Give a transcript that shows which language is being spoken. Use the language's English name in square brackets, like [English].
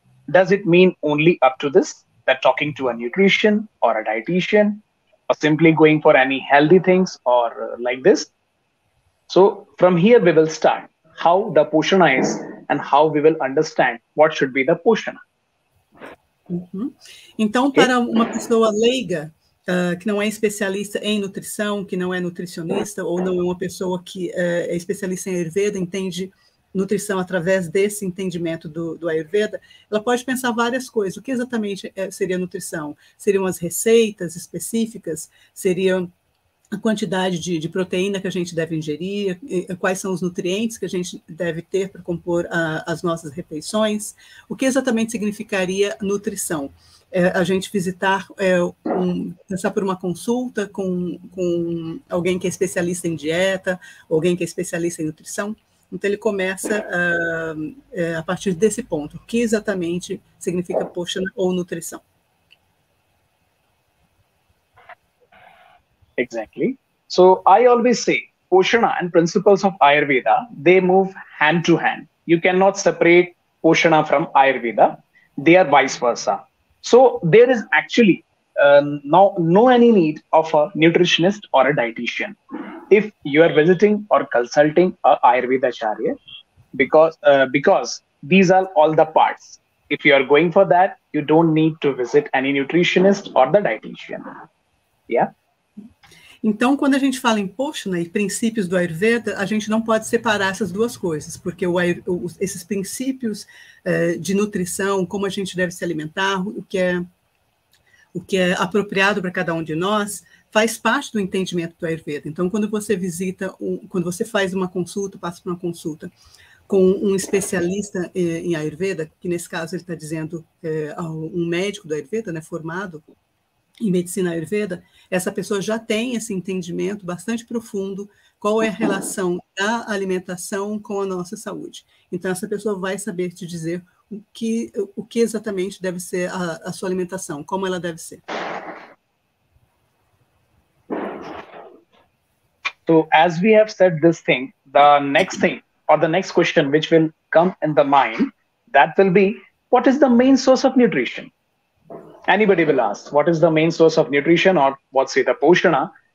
[English] Does it mean only up to this, that talking to a nutrition or a dietitian? Or simply going for any healthy things or like this. So from here we will start how the Poshana is and how we will understand what should be the Poshana. [Portuguese] Então, para uma pessoa leiga, que não é especialista em nutrição, que não é nutricionista, ou não é uma pessoa que é especialista em Ayurveda, entende nutrição através desse entendimento do Ayurveda, ela pode pensar várias coisas. O que exatamente seria nutrição? Seriam as receitas específicas? Seria a quantidade de proteína que a gente deve ingerir? Quais são os nutrientes que a gente deve ter para compor as nossas refeições? O que exatamente significaria nutrição? A gente visitar, passar por uma consulta com alguém que é especialista em dieta, alguém que é especialista em nutrição? Então, ele começa a partir desse ponto. O que exatamente significa Poshana ou nutrição? [English] Exactly. So, I always say, Poshana and principles of Ayurveda, they move hand to hand. You cannot separate Poshana from Ayurveda. They are vice versa. So, there is actually no any need of a nutritionist or a dietitian. If you are visiting or consulting a Ayurveda Acharya, because these are all the parts. If you are going for that, you don't need to visit any nutritionist or the dietitian. Yeah? [Portuguese] Então, quando a gente fala em Poshana e princípios do Ayurveda, a gente não pode separar essas duas coisas, porque esses princípios de nutrição, como a gente deve se alimentar, o que é apropriado para cada um de nós, faz parte do entendimento do Ayurveda. Então, quando você visita, quando você faz uma consulta, passa por uma consulta com um especialista em Ayurveda, que nesse caso ele está dizendo um médico do Ayurveda, né, formado em medicina Ayurveda, essa pessoa já tem esse entendimento bastante profundo qual é a relação da alimentação com a nossa saúde. Então, essa pessoa vai saber te dizer o que exatamente deve ser a sua alimentação, como ela deve ser. [English] So, as we have said this thing, the next thing or the next question which will come in the mind, that will be, what is the main source of nutrition? Anybody will ask, what is the main source of nutrition or what say the Poshana?